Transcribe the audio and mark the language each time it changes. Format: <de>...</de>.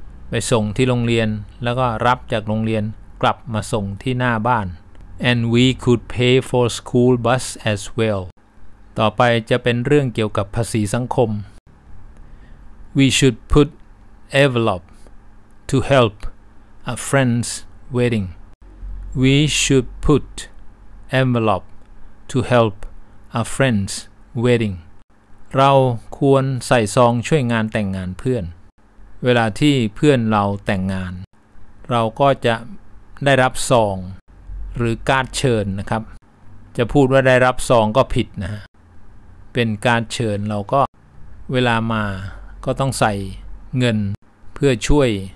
<th>ไปส่งที่โรงเรียนแล้วก็รับจากโรงเรียนกลับมาส่งที่หน้าบ้าน</th> <en>and we could pay for school bus as well</en> <th>ต่อไปจะเป็นเรื่องเกี่ยวกับภาษีสังคม</th> <en>we should put envelope to helpA friend's wedding. We should put envelope to help a friend's wedding.</en> <th>เราควรใส่ซองช่วยงานแต่งงานเพื่อนเวลาที่เพื่อนเราแต่งงานเราก็จะได้รับซองหรือการ์ดเชิญนะครับจะพูดว่าได้รับซองก็ผิดนะฮะเป็นการ์ดเชิญเราก็เวลามาก็ต้องใส่เงินเพื่อช่วย</th>